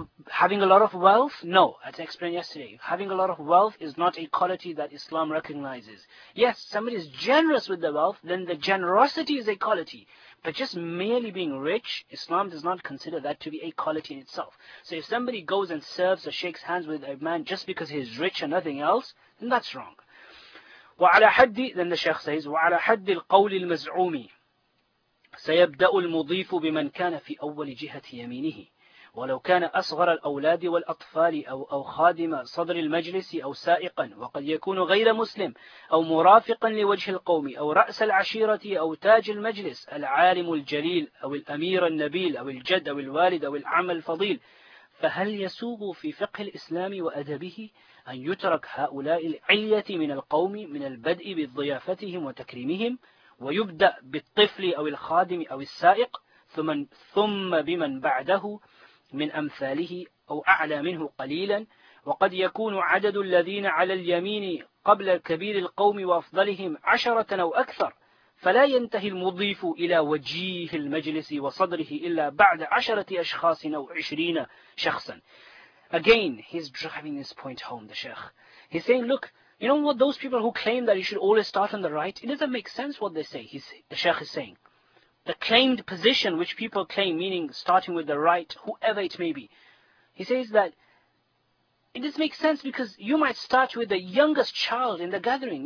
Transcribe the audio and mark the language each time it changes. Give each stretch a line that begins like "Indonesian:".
English: Having a lot of wealth? No, as I explained yesterday. Having a lot of wealth is not a quality that Islam recognizes. Yes, somebody is generous with the wealth, then the generosity is a quality. But just merely being rich, Islam does not consider that to be a quality in itself. So if somebody goes and serves or shakes hands with a man just because he is rich and nothing else, then that's wrong.
Arabic: وَعَلَى حَدِّ
English: Then the Shaykh says,
Arabic: وَعَلَى حَدِّ الْقَوْلِ الْمَزْعُومِ سَيَبْدَأُ الْمُضِيفُ بِمَنْ كَانَ فِي أَوَّلِ جِهَةِ يَمِينِهِ وَلَوْ كَانَ أَصْغَرَ الْأَوْلَادِ وَالْأَطْفَالِ أَوْ خَادِمَ صَدْرِ الْمَجْلِسِ أَوْ سَائِقًا وَقَدْ يَكُونُ غَيْرَ مُسْلِمٍ أَوْ مُرَافِقًا لِوَجْهِ الْقَوْمِ أَوْ رَأْسَ الْعَشِيرَةِ أَوْ تَاجِ الْمَجْلِسِ الْعَالِمُ الْجَلِيلُ أَوْ الْأَمِيرُ النَّبِيلُ أَوْ الْجَدُّ أَوْ الْوَالِدُ أَوْ الْعَمُّ الْفَضِيلُ فَهَلْ يَسُوغُ فِي فِقْهِ الْإِسْلَامِ وَأَدَبِهِ أَنْ يُتْرَكَ هَؤُلَاءِ الْعِلْيَةِ مِنَ الْقَوْمِ مِنَ الْبَدْءِ بِضِيَافَتِهِمْ وَتَكْرِيمِهِمْ وَيُبْدَأْ بِالطِّفْلِ أَوْ الْخَادِمِ أَوْ السَّائِقِ ثُمَّ بِمَنْ بَعْدَهُ من أمثاله أو أعلى منه قليلا وقد يكون عدد الذين على اليمين قبل كبير القوم وأفضلهم عشرة أو أكثر فلا ينتهي المضيف إلى وجيه المجلس وصدره إلا بعد عشرة أشخاص أو عشرين شخصا.
English: Again, he's driving his point home, the Sheikh. He's saying, look, you know what those people who claim that you should always start on the right? It doesn't make sense what they say, the Sheikh is saying. The claimed position which people claim, meaning starting with the right, whoever it may be. He says that it doesn't make sense because you might start with the youngest child in the gathering.